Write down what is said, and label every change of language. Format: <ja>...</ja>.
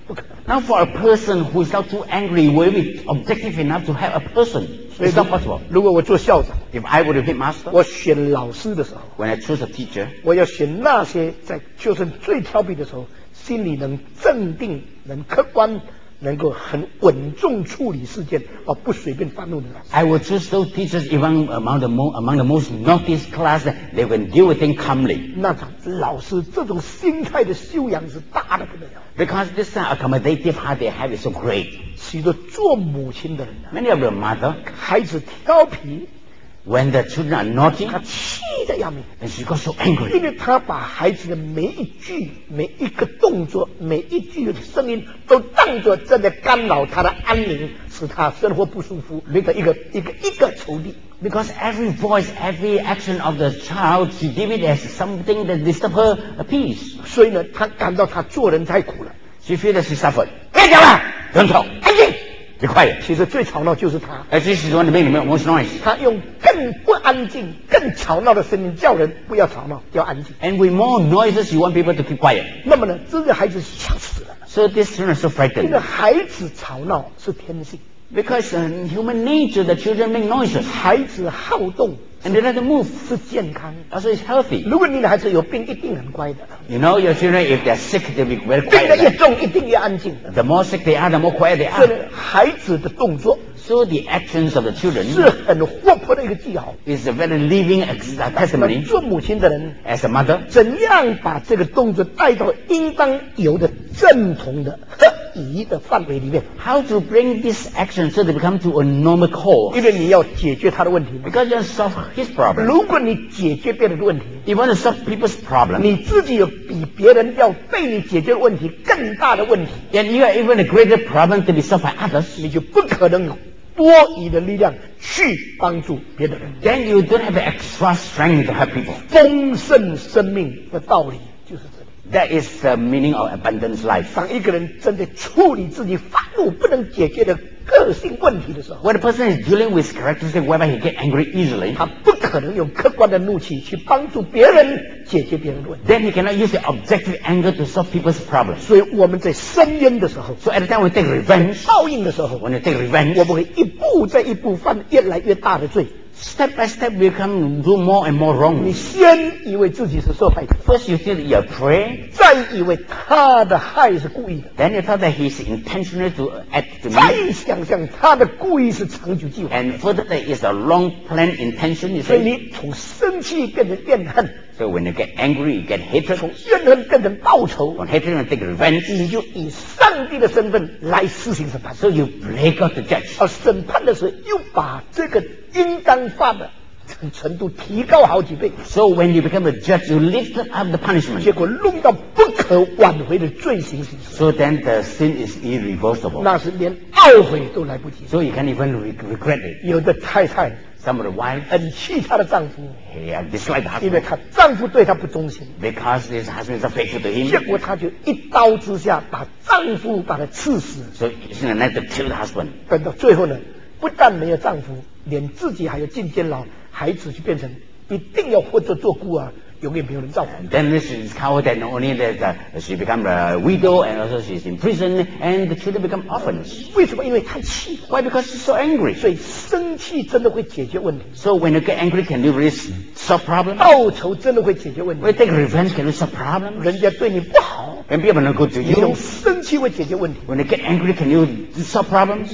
<zh>不可能。</zh> <en>Now for a person who is not too angry, will be objective enough to help a person? It's not possible.</en> <zh>如果我做校长，</zh> <en>if I were to hit master,</en> <zh>我选老师的时候，</zh> <en>when I choose a teacher,</en> <zh>我要选那些在学生最调皮的时候，心里能镇定，能客观，能够很稳重处理事件，而不随便发怒的。</zh> <en>I would choose those teachers even among the most naughty class that they can deal with things calmly.</en> <zh>那种老师这种心态的修养是大的不得了。</zh> <en>Because this accommodative heart they have is so great.</en> <zh>许多做母亲的人、啊、</zh> <en>，many of the mother,</en> <zh>孩子调皮。</zh> <en>When the children are naughty,</en> <zh>他气得要命。</zh> <en>And she got so angry.</en> <zh>因为他把孩子的每一句、每一个动作、每一句的声音都当作正在干扰他的安宁，使他生活不舒服，那个一个仇敌。</zh> <en>Because every voice, every action of the child, she gave it as something that disturb her peace. 所以呢，他感到他做人太苦了。 She feels that she suffered.</en> <zh>干掉了。很吵。安静。你快点。其实最吵闹就是他。哎，这是说你们里面</zh> <en>most noise。</en> <zh>他用更不安静、更吵闹的声音叫人不要吵闹，要安静。</zh> <en>And with more noises, you want people to keep quiet。</en> <zh>那么呢，这个孩子吓死了。</zh> <en>So this children are so frightened。</en> <zh>这个孩子吵闹是天性。</zh> <en>Because in human nature, the children make noises。</en> <zh>孩子好动。</zh> <en>And they don't move</en> <zh>是健康，而且</zh> <en>healthy。</en> <zh>如果你的孩子有病，一定很乖的。</zh> <en>You know your children if they're sick, they'll be very quiet.</en> <zh>病得越重，一定越安静。</zh> <en>The more sick they are, the more quiet they are.</en> <zh>是孩子的动作。</zh> <en>So the actions of the children</en> <zh>是很活泼的一个记号。</zh> <en>Is a very living testimony.</en> <zh>做母亲的人</zh> <en>，as a mother，</en> <zh>怎样把这个动作带到应当有的正统的合宜的范围里面</zh> <en>？How to bring this action so they become to a normal course？</en> <zh>因为你要解决他的问题。</zh> <en>Because you solve his problem.</en> <zh>如果你解决别人的问题</zh> <en>，you want to solve people's problem.</en> <zh>你自己有比别人要被你解决的问题更大的问题</zh> <en>，and you have even a greater problem to be solved by others，</en> <zh>你就不可能有。多余的力量去帮助别的人</zh> <en>Then you don't have extra strength to help people</en> <zh>丰盛生命的道理就是这里</zh> <en>That is the meaning of abundance life</en> <zh>当一个人正在处理自己愤怒不能解决的个性问题的时候</zh> <en>When a person is dealing with characteristic whereby he get angry easily</en> <zh>他不可能用客观的怒气去帮助别人解决别人的问题</zh> <en>Then he cannot use the objective anger to solve people's problems</en> <zh>所以我们在深渊的时候</zh> <en>So at the time we take revenge</en> <zh>报应的时候</zh> <en>When you take revenge</en> <zh>我们会一步再一步犯越来越大的罪</zh> <en>Step by step we come do more and more wrong</en> <zh>你先以为自己是受害者</zh> <en>First you think you're prey</en> <zh>再以为他的害是故意的</zh> <en>Then you thought that he's intentional to act to me</en> <zh>再想象他的故意是长久计划</zh> <en>And further that is a long plan intention</en> <zh>所以你从生气变成怨恨</zh> <en>So when you get angry, you get hatred.</en> <zh>从怨恨变成报仇</zh> <en>When hatred and take revenge,</en> <zh>你就以上帝的身份来施行审判。</zh> <en>So you play God the judge.</en> <zh>而审判的时候又把这个应当犯的程度提高好几倍。</zh> <en>So when you become a judge, you lift up the punishment.</en> <zh>结果弄到不可挽回的罪行。</zh> <en>So then the sin is irreversible.</en> <zh>那是连懊悔都来不及。</zh> <en>So you can't even regret it.</en> <zh>有的太太。</zh> <en>Some of the wives,</en> <zh>很气她的丈夫</zh> <en>dislike husband,</en> <zh>因为她丈夫对她不忠心</zh> <en>because his husband is faithful to him,</en> <zh>结果她就一刀之下把丈夫把她刺死</zh> <en>so she had to kill the husband</en> <zh>等到最后呢不但没有丈夫连自己还有进监牢孩子就变成一定要活着做孤儿永远没有人照顾</zh> <en>then she discovered that only that she became a widow and also she's in prison and the children become orphans</en> <zh>为什么因为太气</zh> <en>why because she's so angry</en> <zh>所以生气真的会解决问题</zh> <en>so when you get angry can you really solve problems</en> <zh>报仇真的会解决问题</zh> <en>when you take revenge can you solve problems</en> <zh>人家对你不好</zh> <en>and people not good to you</en> <zh>你用生气会解决问题</zh> <en>when you get angry can you solve problems</en>